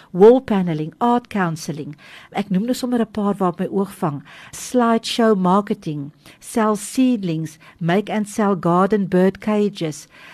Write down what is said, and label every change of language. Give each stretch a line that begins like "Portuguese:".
English: Wall paneling, art counseling.
Afrikaans: Ek noem nou sommer 'n paar wat my oog vang.
English: Slideshow marketing, sell seedlings, make and sell garden bird cages.